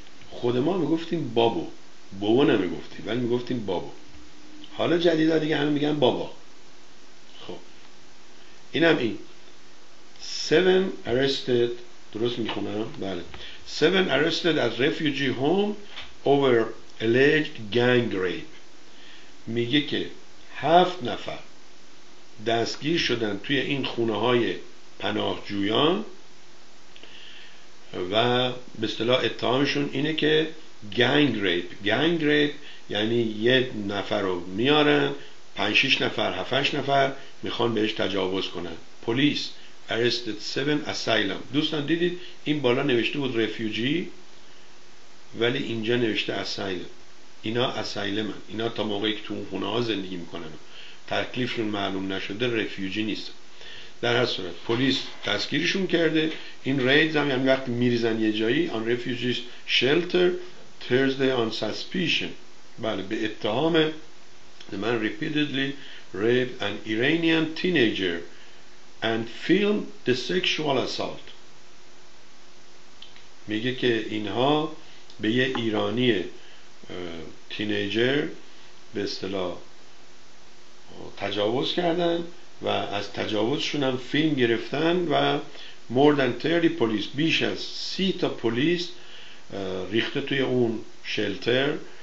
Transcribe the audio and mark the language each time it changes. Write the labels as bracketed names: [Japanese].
[Persian] خود ما میگفتیم بابو، بابو نمیگفتیم ولی میگفتیم بابو. حالا جدیدا دیگه همه میگن بابا. خب اینم این. [English] 7 arrested، [Persian] درست میخونم؟ بله. [English] 7 arrested at refugee home over alleged gang rape. [Persian] میگه که 7 نفر دستگیر شدن توی این خونه های پناهجویان و به اصطلاح اتهامشون اینه که گنگ ریپ. گنگ ریپ یعنی یه نفر رو میارن 5-6 نفر 7-8 نفر میخوان بهش تجاوز کنن. [English] Police arrested 7 asylum. [Persian] دوستان دیدید این بالا نوشته بود رفیوجی ولی اینجا نوشته asylum. اینا asylum هن. اینا تا موقعی که تو اون خونه ها زندگی میکنن تکلیفشون معلوم نشده رفیوجی نیست. در هر صورت پلیس دستگیرشون کرده. این رید هم یعنی وقتی میریزن یه جایی [English] on refugees shelter Thursday on suspicion. [Persian] بله به اتهام [English] the man repeatedly raped an Iranian teenager and filmed the sexual assault. [Persian] میگه که اینها به یه ایرانی تینیجر به اصطلاح تجاوز کردن و از تجاوزشون هم فیلم گرفتن و [English] more than 30 [Persian] پلیس، بیش از 30 تا پلیس ریخته توی اون شلتر